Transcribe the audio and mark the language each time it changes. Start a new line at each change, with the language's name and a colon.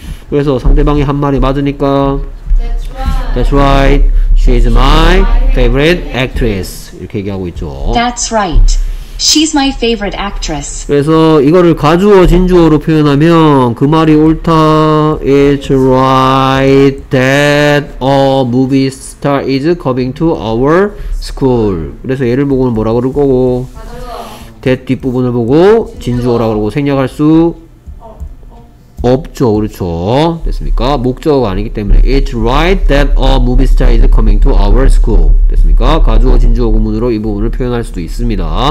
Korean: 그래서 상대방이 한 말이 맞으니까
English: That's right. That's right. She's my favorite actress.
Korean: 이렇게 얘기하고 있죠.
English: That's right. She's my favorite actress.
Korean: 그래서 이거를 가주어 진주어로 표현하면 그 말이 옳다.
English: It's right that a movie star is coming to our school.
Korean: 그래서 얘를 보고는 뭐라고 그럴 거고 that 뒷부분을 보고 진주어라고 그러고 생략할 수 없죠. 그렇죠. 됐습니까? 목적어가 아니기 때문에
English: It's right that a movie star is coming to our school.
Korean: 됐습니까? 가주어 진주어 구문으로 이 부분을 표현할 수도 있습니다.